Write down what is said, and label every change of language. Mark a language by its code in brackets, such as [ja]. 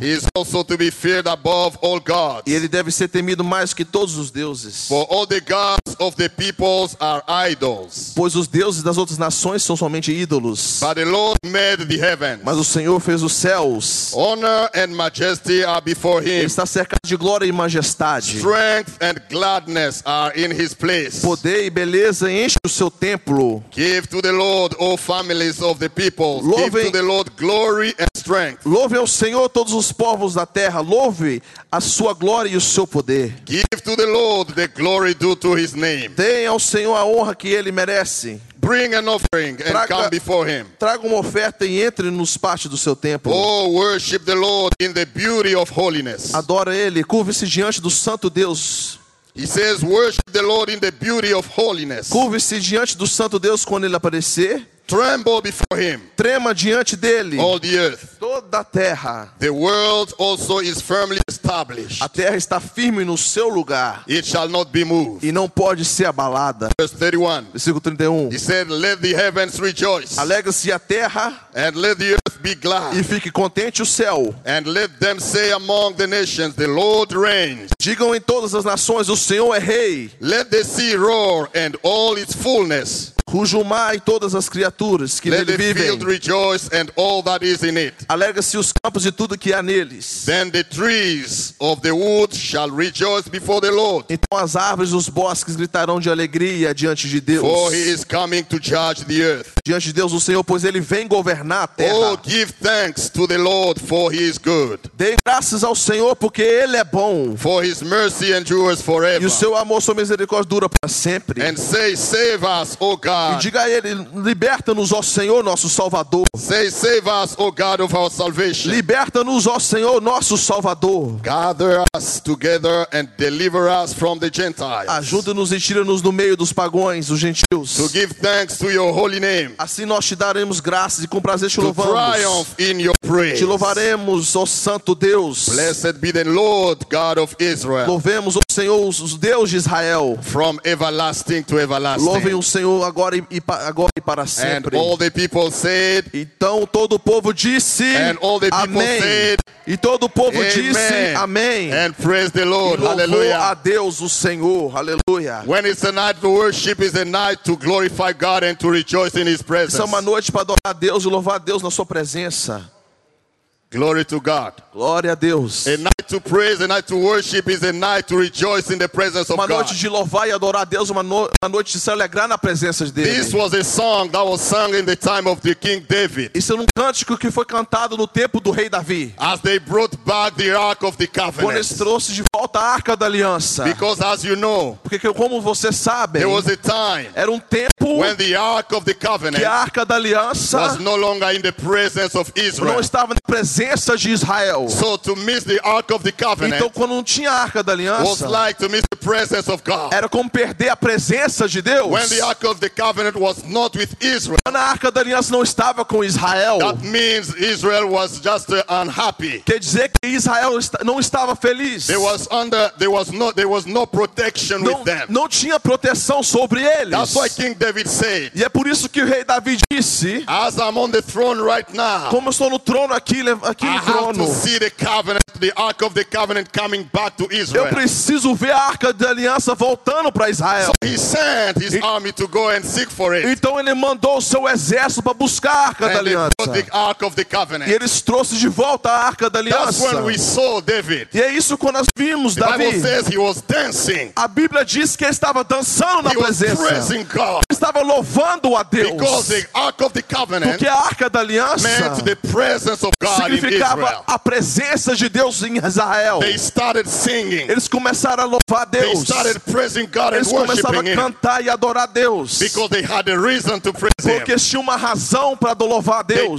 [en] He is also to be feared above all gods. [pt] E ele deve ser temido mais que todos os deuses. [en] For all the gods of the peoples are idols. [pt] Pois os deuses das outras nações são somente ídolos. [en] But the Lord made the heavens. [pt] Mas o Senhor fez os céus. [en] Honor and majesty are before him. [pt] Ele está cercado de glória e majestade. [en] Strength and gladness are in his place. [pt] Poder e beleza enche o seu templo. [en] Give to the Lord, O families of the people. Give to the Lord glory and strength. [pt] Louve ao Senhor todos os povos da terra. Louve a sua glória e o seu poder. [en] Give to the Lord the glory due to his name. [pt] Dê ao Senhor a honra que ele merece. [en] Bring an offering and come before him. [pt] Traga uma oferta e entre nos pátios do seu templo. [en] Oh, worship the Lord in the beauty of holiness. [pt] Adora ele, curve-se diante do santo Deus. [en] He says, worship the Lord in the beauty of holiness. [pt] Curve-se diante do Santo Deus quando ele aparecer. [en] Tremble before him. [pt] Trema diante dele. [en] All the earth. [pt] Toda a terra. [en] The world also is firmly established. [pt] A terra está firme no seu lugar. [en] It shall not be moved. [pt] E não pode ser abalada. [en] Verse 31. [pt] Versículo 31. [en] He said, let the heavens rejoice. [pt] Alegre-se a terra. [en] And let the earth be glad. [pt] E fique contente o céu. [en] And let them say among the nations, the Lord reigns. [pt] Digam em todas as nações, o Senhor é rei. [en] Let the sea roar and all its fullness. [pt] Cujo mar e todas as criaturas que [en] let [pt] nele [en] the [pt] vivem. [en] Field rejoice and all that is in it. [pt] Alegre-se os campos e tudo que há neles. [en] Then the trees of the woods shall rejoice before the Lord. [pt] Então as árvores e os bosques gritarão de alegria diante de Deus. [en] For he is coming to judge the earth. [pt] Diante de Deus o Senhor, pois ele vem governar a terra. [en] Oh, give thanks to the Lord, for he is good. [pt] Dê graças ao Senhor, porque ele é bom. [en] For his mercy endures forever. [pt] E o seu amor, sua misericórdia dura para sempre. [en] And say, save us, oh God. [pt] E diga a ele, liberta-nos, ó Senhor, nosso Salvador. [en] Say, save us, O God of our salvation. [pt] Liberta-nos, ó Senhor, nosso Salvador. [en] Gather us together and deliver us from the Gentiles. [pt] Ajuda-nos e tira-nos do meio dos pagões, os gentios. [en] To give thanks to your holy name. [pt] Assim nós te daremos graças e com prazer te louvamos. [en] To triumph in your praise. [pt] Te louvaremos, ó Santo Deus. [en] Blessed be the Lord God of Israel. [pt] Louvemos, ó Senhor, os Deus de Israel. [en] From everlasting to everlasting. [pt] Louvem o Senhor agora e para sempre. [en] And all the people said, [pt] então todo o povo disse amém. [en] Said, [pt] e todo o povo disse amém. [en] And praise the Lord. [pt] E louvou [en] Hallelujah. [pt] A Deus o Senhor. Aleluia. [en] When it's a night to worship, it's a night to glorify God and to rejoice in his presence. [pt] Isso é uma noite para adorar a Deus e louvar a Deus na sua presença. [en] Glory to God. [pt] Glória a Deus. [en] A night to praise, a night to worship is a night to rejoice in the presence of God. [pt] Uma noite de louvar e adorar a Deus, uma noite de se alegrar na presença de Deus. [en] This was a song that was sung in the time of the King David. [pt] Isso era um cântico que foi cantado no tempo do rei Davi. [en] As they brought back the Ark of the Covenant. [pt] Quando eles trouxeram de volta a Arca da Aliança. [en] Because as you know, [pt] porque como você sabe, [en] there was a time, [pt] era um tempo [en] when the Ark of the Covenant, [pt] que a Arca da Aliança [en] was no longer in the presence of Israel. [pt] Não estava na presença de Israel. [en] So to miss the Ark of the Covenant, [pt] então quando não tinha a Arca da Aliança, [en] was like to miss the presence of God. [pt] Era como perder a presença de Deus. [en] When the Ark of the Covenant was not with Israel, [pt] quando a Arca da Aliança não estava com Israel, [en] that means Israel was just unhappy. [pt] Quer dizer que Israel não estava feliz. [en] There was no protection [pt] não, [en] with them. [pt] Não tinha proteção sobre eles. [en] That's why King David said, [pt] e é por isso que o rei Davi disse, [en] as I'm on the throne right now, [pt] como estou no trono aqui. [en] I have to see the covenant, the Ark of the Covenant coming back to Israel. [pt] Eu preciso ver a Arca da Aliança voltando para Israel. [en] So he sent his army to go and seek for it. [pt] Então ele mandou o seu exército para buscar a Arca da Aliança. [en] And they brought the Ark of the Covenant. [pt] E eles trouxeram de volta a Arca da Aliança. [en] That's when we saw David. [pt] E é isso quando nós vimos Davi. [en] The Bible says he was dancing. [pt] A Bíblia diz que ele estava dançando na presença. [en] He was praising God. [pt] Ele estava louvando a Deus. [en] Because the Ark of the Covenant, [pt] porque a Arca da Aliança, [en] meant the presence of God. [pt] Significava a presença de Deus em Israel. [en] They started singing. [pt] Eles começaram a louvar a Deus. [en] They started praising God and [pt] eles começaram [en] worshiping [pt] a cantar [en] him. [pt] E adorar a Deus. [en] Because they had a reason to praise [pt] porque eles tinham uma razão para louvar a Deus.